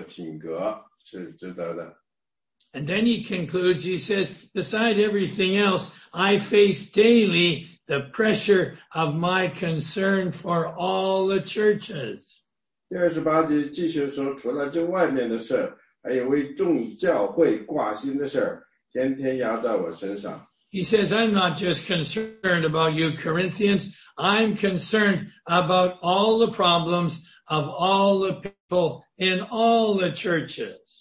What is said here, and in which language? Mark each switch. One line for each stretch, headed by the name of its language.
Chinese: 所以他传道呢，是因为他那个为这些所有的这些付出代价，证明他是真诚的，他的所有的品格是值得的。
English: And then he concludes, he says, beside everything else, I face daily the pressure of my concern for all the churches.
Chinese: 第28节继续说，除了这外面的事，还有为众教会挂心的事，天天压在我身上。
English: He says, I'm not just concerned about you, Corinthians. I'm concerned about all the problems of all the people in all the churches.